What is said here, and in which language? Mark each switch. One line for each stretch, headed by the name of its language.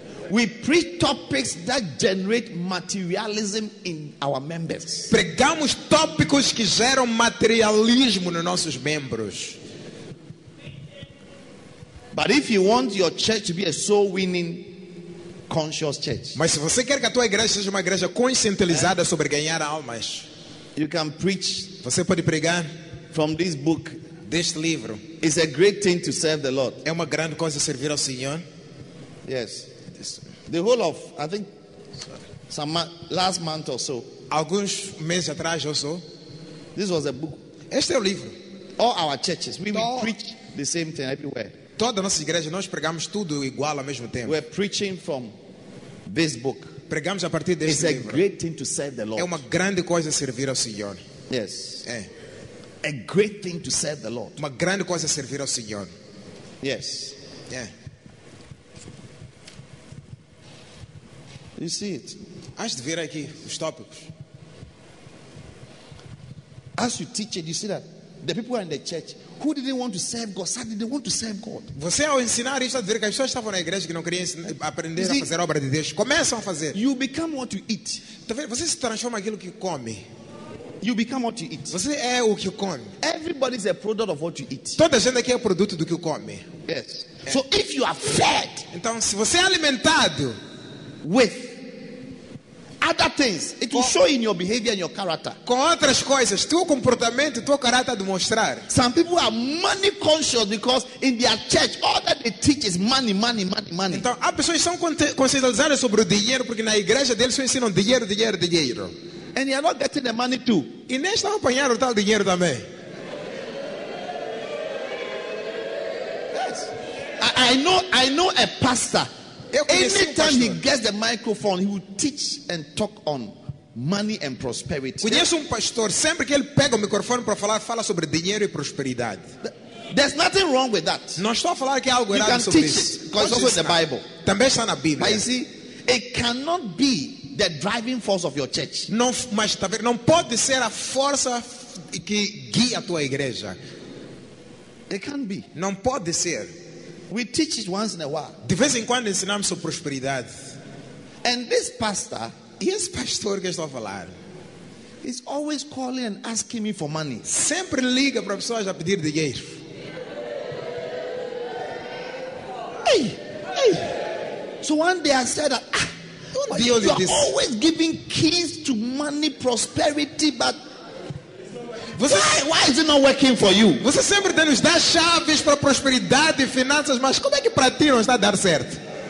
English: We preach topics that generate materialism in our members.
Portuguese: Pregamos tópicos que geram materialismo nos nossos membros.
English: But if you want your church to be a soul-winning, conscious church,
Portuguese: mas se você quer que a tua igreja seja uma igreja conscientizada sobre ganhar almas,
English: you can preach.
Portuguese: Você pode pregar
English: from this book,
Portuguese: deste livro.
English: It's a great thing to serve the Lord.
Portuguese: É uma grande coisa servir ao Senhor.
English: Yes. The whole of, I think, some last month or so.
Portuguese: Alguns meses atrás ou so.
English: This was a book.
Portuguese: Este é o livro.
English: All our churches, we preach the same thing everywhere.
Portuguese: Toda a nossa igreja, nós pregamos tudo igual ao mesmo tempo.
English: We're preaching from this book.
Portuguese: Pregamos a partir deste
English: It's
Portuguese: livro.
English: A great thing to serve the Lord.
Portuguese: É uma grande coisa servir ao Senhor.
English: Yes.
Portuguese: É.
English: A great thing to serve the Lord.
Portuguese: Uma grande coisa servir ao Senhor.
English: Yes.
Portuguese: É.
English: You see it.
Portuguese: Antes de ver aqui os tópicos.
English: As you teach it, you see that the people are in the church who didn't want to serve God, suddenly they want to serve God.
Portuguese: Você ao ensinar isso, a ver que as pessoas estavam na igreja que não queriam aprender a fazer a obra de Deus, começam a fazer.
English: You become what you eat.
Portuguese: Você se transforma aquilo que come.
English: You become what you eat.
Portuguese: Você é o que come.
English: Everybody is a product of what you eat.
Portuguese: Toda gente aqui é produto do que come.
English: Yes. So if you are fed.
Portuguese: Então se você é alimentado
English: with other things, it will show in your behavior and your character.
Portuguese: Com outras coisas, teu comportamento, teu caráter demonstrar.
English: Some people are money conscious because in their church all that they teach is money.
Portuguese: Então, há pessoas que são conscientizadas sobre o dinheiro porque na igreja deles só ensinam dinheiro.
English: And they are not getting the money too.
Portuguese: E nem estão apanhando o tal dinheiro também.
English: Yes. I know a pastor. Anytime he gets the microphone, he will teach and talk on money and prosperity.
Portuguese: Conheço pastor, sempre que ele pega o microfone para falar, fala sobre dinheiro e prosperidade.
English: There's nothing wrong with that.
Portuguese: Não estou a falar que algo errado sobre isso.
English: You can teach it, because it's also in the Bible.
Portuguese: Também está na Bíblia.
English: But you see, it cannot be the driving force of your church.
Portuguese: Não, mas não pode ser a força que guia a tua igreja.
English: It can't be.
Portuguese: Não pode ser.
English: We teach it once in a while.
Portuguese: De vez em quando ensinamos sobre prosperidade.
English: And this pastor,
Portuguese: esse pastor que estou a falar,
English: is always calling and asking me for money.
Portuguese: Sempre liga para pessoas a pedir dinheiro. Hey, hey.
English: So one day I said, you are always giving keys to money, prosperity, but Why is it not working for you?
Portuguese: Você sempre tem nos dá chaves para prosperidade e finanças, mas como é que para ti não está a dar certo?